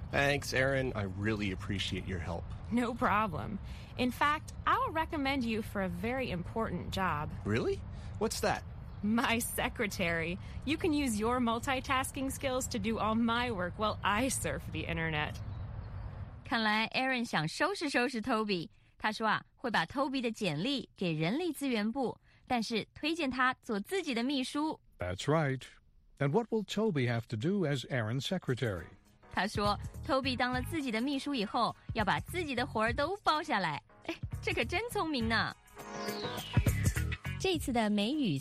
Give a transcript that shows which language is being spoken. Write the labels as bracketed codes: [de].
[en] Thanks, Aaron. I really appreciate your help. No problem. In fact, I'll recommend you for a very important job. Really? What's that? My secretary. You can use your multitasking skills to do all my work while I surf the internet. [zh] 看来 Aaron 想收拾收拾 Toby. 他说啊，会把 Toby 的简历给人力资源部，但是推荐他做自己的秘书。 [en] That's right. And what will Toby have to do as Aaron's secretary? [zh] 他说 ，Toby 当了自己的秘书以后，要把自己的活儿都包下来。哎，这可真聪明呢。这次的美语赛